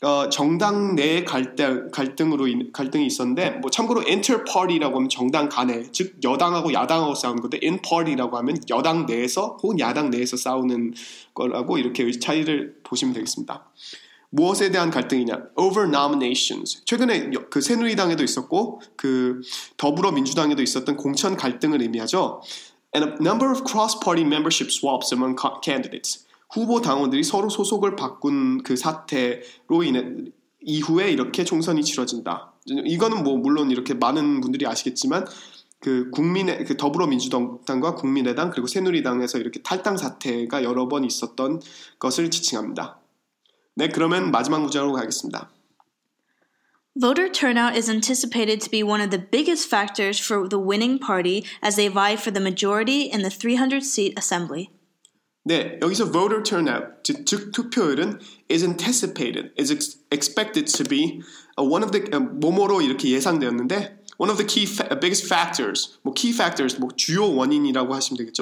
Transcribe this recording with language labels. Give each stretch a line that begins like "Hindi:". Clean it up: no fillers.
Korean: 정당 내 갈등이 있었는데 뭐 참고로 inter-party라고 하면 정당 간에 즉 여당하고 야당하고 싸우는 건데 in-party라고 하면 여당 내에서 혹은 야당 내에서 싸우는 거라고 이렇게 차이를 보시면 되겠습니다. 무엇에 대한 갈등이냐?
English: Over nominations.
Korean: 최근에 그 새누리당에도 있었고 그 더불어민주당에도 있었던 공천 갈등을 의미하죠.
English: And a number of cross-party membership swaps among candidates.
Korean: 후보 당원들이 서로 소속을 바꾼 그 사태로 인해 이후에 이렇게 총선이 치러진다. 이거는 뭐 물론 이렇게 많은 분들이 아시겠지만 그 그 더불어민주당과 국민의당 그리고 새누리당에서 이렇게 탈당 사태가 여러 번 있었던 것을 지칭합니다. 네, 그러면 마지막 문장으로 가겠습니다.
English: Voter turnout is anticipated to be one of the biggest factors for the winning party as they vie for the majority in the 300-seat assembly.
Korean: 네, 여기서 voter turnout, 즉 투표율은
English: is anticipated, is expected to be one of the,
Korean: 뭐뭐로 이렇게 예상되었는데
English: one of the biggest factors,
Korean: 뭐 key factors, 뭐 주요 원인이라고 하시면 되겠죠.